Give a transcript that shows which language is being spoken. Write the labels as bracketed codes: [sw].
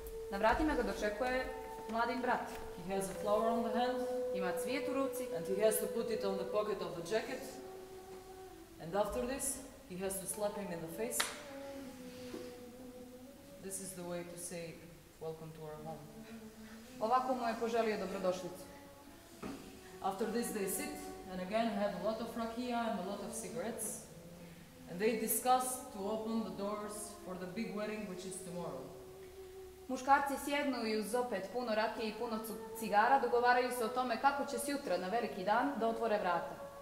[bs] Na vratima ga dočekuje mladin brat. [en] He has a flower on the hand. [bs] Ima cvijet u ruci. [en] And he has to put it on the pocket of the jacket. And after this, he has to slap him in the face. This is the way to say welcome to our home. [bs] Ovako mu je poželio dobrodošlicu. [en] After this they sit and again have a lot of rakija and a lot of cigarettes. And they discuss to open the doors for the big wedding, which is tomorrow. [bs] Muškarci sjednu i uz opet puno rakije i puno cigara dogovaraju se o tome kako će sutra na veliki dan da otvore vrata.